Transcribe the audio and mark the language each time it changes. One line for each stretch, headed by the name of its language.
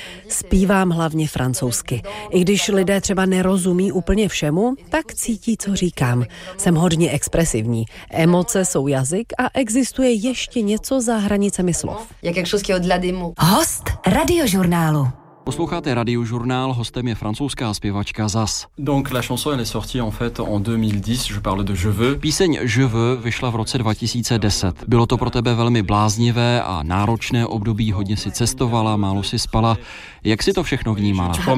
Czech: Zpívám hlavně francouzsky. I když lidé třeba nerozumí úplně všemu, tak cítí, co říkám. Jsem hodně expresivní. Emoce jsou jazyk a existuje ještě něco za hranicemi slov. Host Radiožurnálu. Posloucháte Radiožurnál, hostem je francouzská zpěvačka Zaz.
French: Donc la chanson elle est sortie en fait en 2010, je parle de Je veux.
Czech: Píseň Je veux vyšla v roce 2010. Bylo to pro tebe velmi bláznivé a náročné období, hodně si cestovala, málo si spala. Jak si to všechno vnímala?